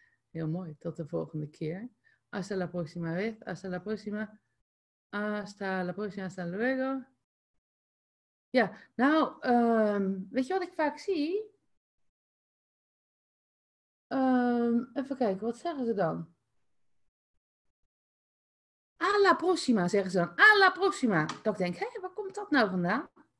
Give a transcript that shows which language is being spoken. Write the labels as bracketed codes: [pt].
[nl] Heel mooi, tot de volgende keer. [es] Hasta la próxima vez, hasta la próxima. Hasta la próxima, hasta luego. [nl] Ja, nou, weet je wat ik vaak zie? Even kijken, wat zeggen ze dan? [es] A la próxima, [nl] zeggen ze dan. A la próxima. Dat ik denk, hé, waar komt dat nou vandaan?